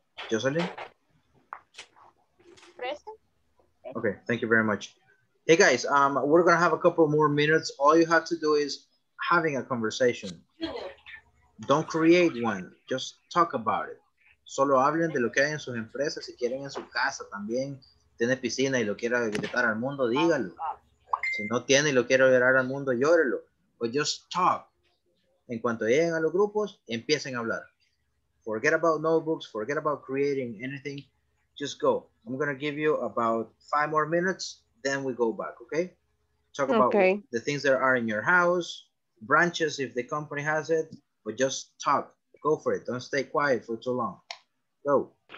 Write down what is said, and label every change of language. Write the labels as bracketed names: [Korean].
[English] Jocelyn? Present. Okay, thank you very much. Hey guys, we're gonna have a couple more minutes. All you have to do is having a conversation. Don't create one, just talk about it. [Spanish] Solo hablen de lo que hay en sus empresas, si quieren en su casa también, tiene piscina y lo quiera gritar al mundo, dígalo. Si no tiene y lo quiere llorar al mundo, llórelo. [English] But just talk. [Spanish] En cuanto lleguen a los grupos, empiecen a hablar. [English] Forget about notebooks, forget about creating anything. Just go. I'm going to give you about 5 more minutes, then we go back, okay? Talk about okay. The things that are in your house, branches if the company has it, but just talk. Go for it. Don't stay quiet for too long. Go.